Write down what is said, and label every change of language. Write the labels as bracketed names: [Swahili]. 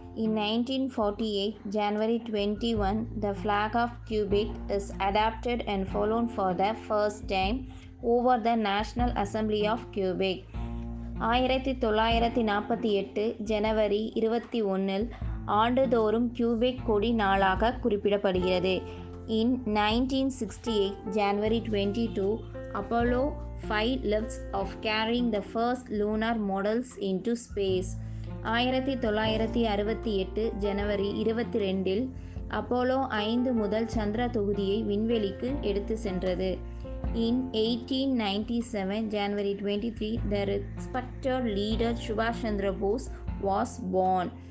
[English] In 1948, January 21, the flag of Quebec is adopted and flown for the first time over the National Assembly of Quebec. [Tamil] 1948, ஜனவரி 21 ஆண்டுதோறும் Quebec கொடி நாளாக குறிப்பிடப்படுகிறது. [English] In 1968, January 22, Apollo 5 lifts off carrying the first lunar modules into space. [Tamil] 1968, January 22, Apollo 5 முதல் சந்திர தொகுதியை விண்வெளிக்கு எடுத்து சென்றது. [English] In 1897, January 23, the respected leader Subhash Chandra Bose was born.